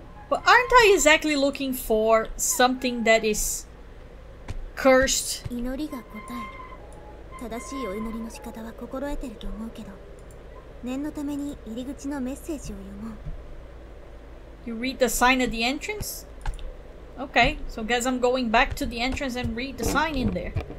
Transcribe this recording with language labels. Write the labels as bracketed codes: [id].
[en] But aren't I exactly looking for something that is cursed? [ja] 祈りが答え。正しいお祈りの仕方は心得てると思うけど、念のために入り口のメッセージを読もう。 [en] You read the sign at the entrance? Okay, so guess I'm going back to the entrance and read the sign in there.